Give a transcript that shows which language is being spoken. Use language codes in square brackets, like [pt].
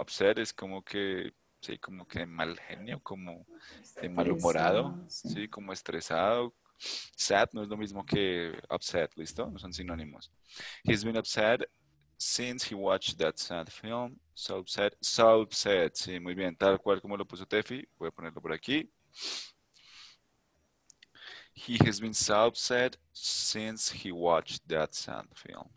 [es] Upset es como que, sí, como que de mal genio, como de malhumorado, sí, como estresado. Sad no es lo mismo que upset, ¿listo? No son sinónimos. [en] He's been upset since he watched that sad film. So upset, [es] sí, muy bien. Tal cual como lo puso Tefi, voy a ponerlo por aquí. [en] He has been so upset since he watched that sad film.